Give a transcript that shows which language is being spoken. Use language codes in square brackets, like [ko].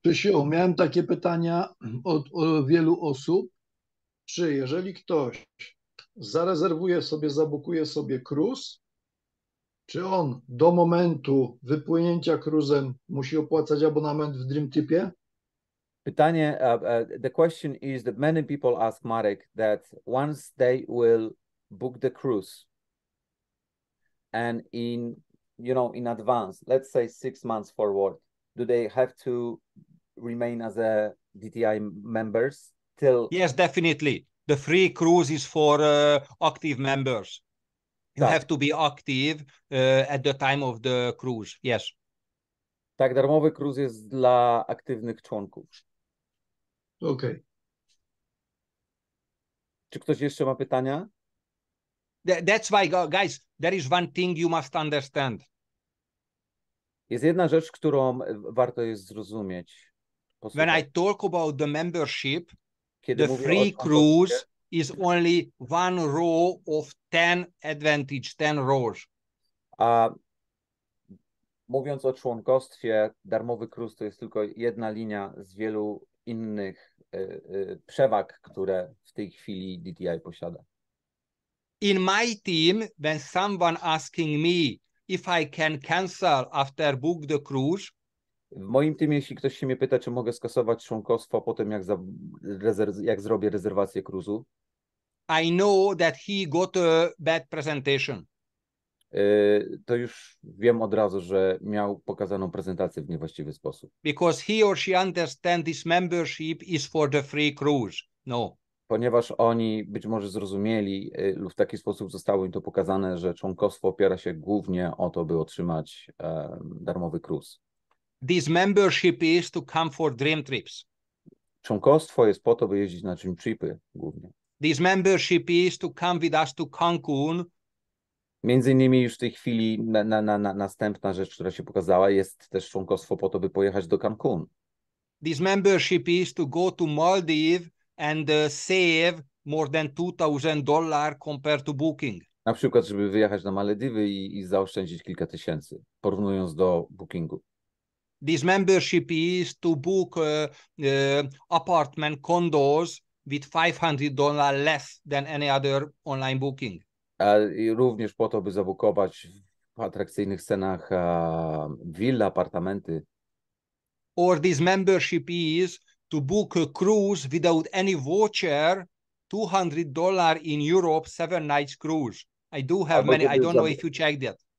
[pl] Krzysiu, miałem takie pytania od wielu osób, czy jeżeli ktoś zarezerwuje sobie, zabukuje sobie kruz, czy on do momentu wypłynięcia kruzem musi opłacać abonament w Dreamtipie? [en] Pytanie, the question is that many people ask Marek that once they will book the cruise and in, you know, in advance, let's say 6 months forward, do they have to remain as a DTI members till... Yes, definitely. The free cruise is for active members. You have to be active at the time of the cruise, yes. [pl] Tak, darmowy cruise jest dla aktywnych członków. Okej. [en] Okay. [pl] Czy ktoś jeszcze ma pytania? [en] That's why, guys, there is one thing you must understand. [pl] Jest jedna rzecz, którą warto jest zrozumieć. Posłuchaj. [en] When I talk about the membership, kiedy the free cruise is only one row of 10 advantage, 10 rows. [pl] A mówiąc o członkostwie, darmowy cruz to jest tylko jedna linia z wielu innych przewag, które w tej chwili DTI posiada. [en] In my team, when someone asking me if I can cancel after book the cruise, [pl] w moim teamie, jeśli ktoś się mnie pyta, czy mogę skasować członkostwo po tym, jak zrobię rezerwację kruzu, [en] I know that he got a bad presentation. [pl] to już wiem od razu, że miał pokazaną prezentację w niewłaściwy sposób. [en] Because he or she understands this membership is for the free cruise. No. [pl] Ponieważ oni być może zrozumieli, lub w taki sposób zostało im to pokazane, że członkostwo opiera się głównie o to, by otrzymać darmowy kruz. [en] This membership is to come for dream trips. [pl] Członkostwo jest po to, by jeździć na dream tripy głównie. [en] This membership is to come with us to Cancun. [pl] Między innymi już w tej chwili na następna rzecz, która się pokazała, jest też członkostwo po to, by pojechać do Cancun. [en] This membership is to go to Maldives and save more than $2,000 compared to booking. [pl] Na przykład, żeby wyjechać na Malediwy i zaoszczędzić kilka tysięcy, porównując do bookingu. [en] This membership is to book apartment condos with $500 less than any other online booking. [pl] I również po to, by zabukować w atrakcyjnych cenach wille, apartamenty. [en] Or this membership is to book a cruise without any voucher, $200 in Europe, 7 nights cruise. I do have [pl] albo [en] many, I don't know if you checked that.